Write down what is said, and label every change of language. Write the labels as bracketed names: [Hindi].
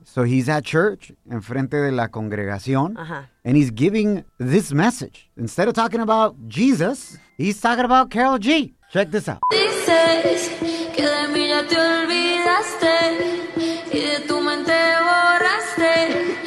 [English] So he's at church [Spanish] en frente de la congregación. [English] Uh-huh. And he's giving this message. Instead of talking about Jesus, he's talking about Carol G. Check this out. [Spanish] Dices que de mí ya te olvidaste y de tu mente borraste.